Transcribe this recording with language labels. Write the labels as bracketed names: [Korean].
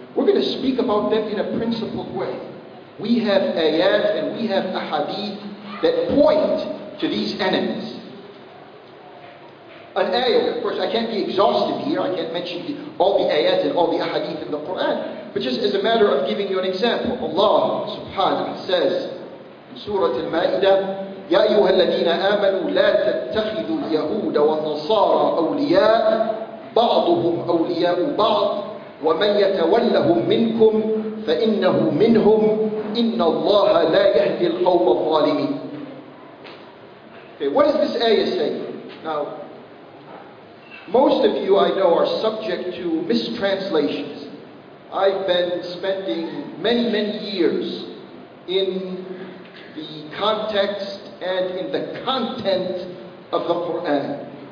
[English] We're going to speak about them in a principled way. We have ayat and we have a hadith that point to these enemies. An ayat, of course, I can't be exhaustive here. I can't mention all the ayat and all the ahadith in the Quran. But just as a matter of giving you an example, Allah subhanahu wa ta'ala says in Surah Al-Ma'idah, [Arabic] يَا أَيُّهَا الَّذِينَ آمَنُوا لَا تَتَّخِذُوا الْيَهُودَ وَالنَّصَارَى أَوْلِيَاءَ بَعْضُهُمْ أَوْلِيَاءُ بَعْضٍ وَمَنْ يَتَوَلَّهُمْ مِنْكُمْ فَإِنَّهُ مِنْهُمْ إِنَّ اللَّهَ لَا يَهْدِي الْقَوْمَ الظَّالِمِينَ. [English] Okay, what does this ayah say? Now, most of you I know are subject to mistranslations. I've been spending many, many years in the context and in the content of the Quran.